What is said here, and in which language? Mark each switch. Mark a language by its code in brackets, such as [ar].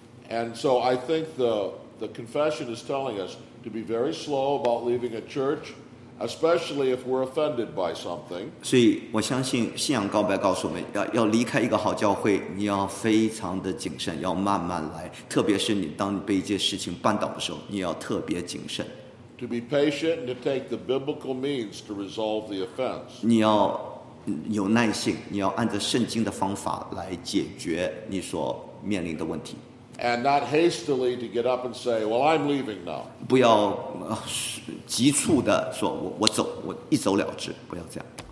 [en] And so I think the confession is telling us to be very slow about leaving a church, especially if we're offended by something. [zh] 所以我相信信仰告白告诉我们，要离开一个好教会，你要非常的谨慎，要慢慢来。特别是你当你被一件事情绊倒的时候，你要特别谨慎。 [en] To be patient and to take the biblical means to resolve the offense. [zh] 你要有耐性，你要按照圣经的方法来解决你所面临的问题。 [en] And not hastily to get up and say, "Well, I'm leaving now." [zh] 不要急促的说，我走，我一走了之，不要这样。